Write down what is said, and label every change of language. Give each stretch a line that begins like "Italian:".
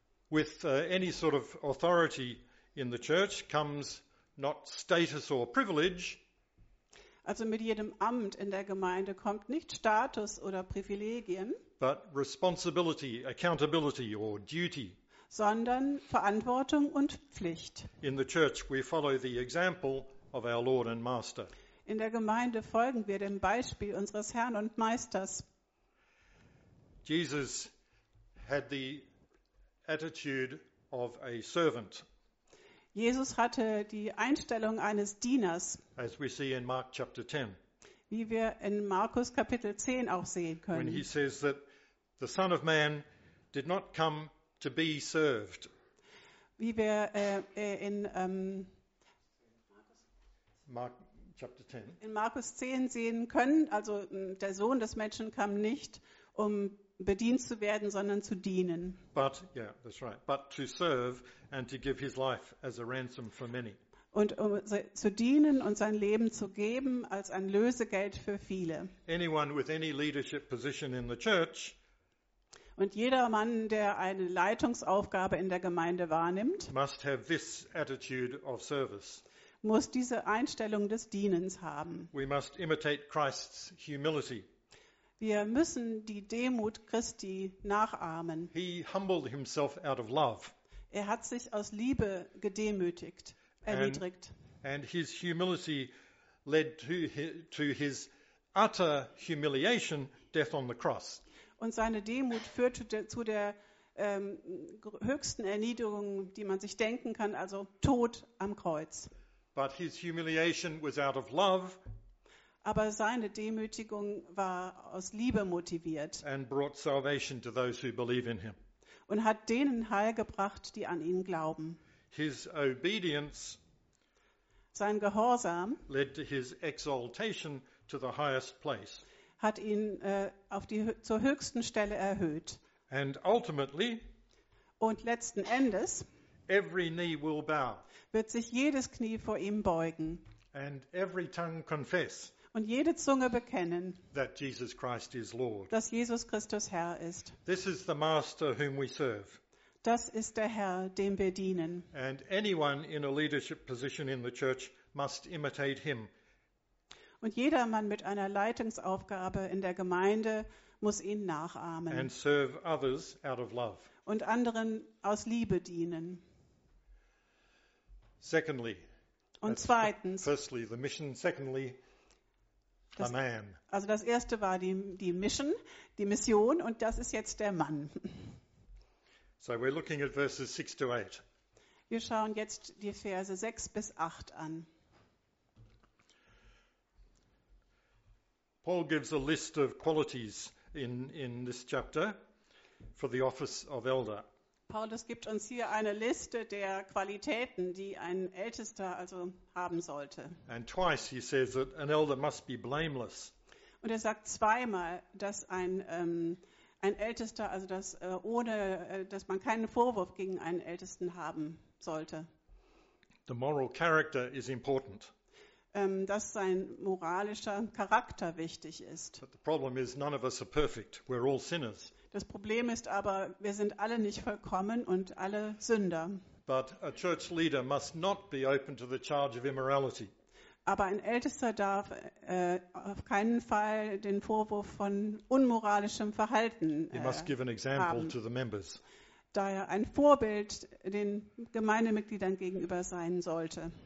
English: With any sort of authority in the church comes not status or privilege.
German: Also mit jedem Amt in der Gemeinde kommt nicht Status oder Privilegien.
English: But responsibility, accountability or duty.
German: Sondern Verantwortung und Pflicht.
English: In the church we follow the example of our Lord and Master.
German: In der Gemeinde folgen wir dem Beispiel unseres Herrn und Meisters.
English: Jesus had the attitude of a servant.
German: Jesus hatte die Einstellung eines Dieners.
English: As we see in Mark chapter 10.
German: Wie wir in Markus Kapitel 10 auch sehen können.
English: When he says that the Son of Man did not come to be served.
German: Wie wir in Markus 10 sehen können, also der Sohn des Menschen kam nicht, um bedient zu werden, sondern zu dienen.
English: But yeah, that's right. But to serve and to give his life as a ransom for many.
German: Und um zu dienen und sein Leben zu geben als ein Lösegeld für viele.
English: Anyone with any leadership position in the church.
German: Und jedermann, der eine Leitungsaufgabe in der Gemeinde wahrnimmt,
English: must have this attitude of service.
German: Muss diese Einstellung des Dienens haben.
English: We must imitate Christ's humility.
German: Wir müssen die Demut Christi nachahmen.
English: He humbled himself out of love.
German: Er hat sich aus Liebe gedemütigt, erniedrigt.
English: And his humility led to his utter humiliation, death on the cross.
German: Und seine Demut führte zu der höchsten Erniedrigung, die man sich denken kann, also Tod am Kreuz.
English: But his humiliation was out of love.
German: Aber seine Demütigung war aus Liebe motiviert.
English: And brought salvation to those who believe in him.
German: Und hat denen Heil gebracht, die an ihn glauben.
English: His obedience.
German: Sein Gehorsam.
English: Led to his exaltation to the highest place.
German: Hat ihn zur höchsten Stelle erhöht.
English: And ultimately.
German: Und letzten Endes.
English: Every knee will bow.
German: Wird sich jedes Knie vor ihm beugen.
English: And every tongue confess.
German: Und jede Zunge bekennen,
English: that Jesus Christ is Lord.
German: Dass Jesus Christus Herr ist.
English: This is the master whom we serve.
German: Das ist der Herr, dem wir dienen.
English: And anyone in a leadership position in the church must imitate him.
German: Und jedermann mit einer Leitungsaufgabe in der Gemeinde muss ihn nachahmen.
English: And serve others out of love.
German: Und anderen aus Liebe dienen.
English: Secondly,
German: und zweitens,
English: firstly, the mission, secondly, the man.
German: Also das erste war die Mission, die Mission, und das ist jetzt der Mann.
English: So we're looking at verses 6 to 8.
German: Wir schauen jetzt die Verse 6 bis 8 an.
English: Paul gives a list of qualities in this chapter for the office of elder.
German: Paulus gibt uns hier eine Liste der Qualitäten, die ein Ältester also haben sollte.
English: And twice he says that an elder must be blameless.
German: Und er sagt zweimal, dass ein Ältester, also dass ohne dass man keinen Vorwurf gegen einen Ältesten haben sollte.
English: The moral character is important.
German: Dass sein moralischer Charakter wichtig ist.
English: But the problem is none of us are perfect. We're all sinners.
German: Das Problem ist aber, wir sind alle nicht vollkommen und alle Sünder.
English: But a church leader must not be open to the charge of immorality.
German: Aber ein Ältester darf auf keinen Fall den Vorwurf von unmoralischem Verhalten
English: he must give an example
German: haben.
English: To the members.
German: Da er ein Vorbild den Gemeindemitgliedern gegenüber sein sollte.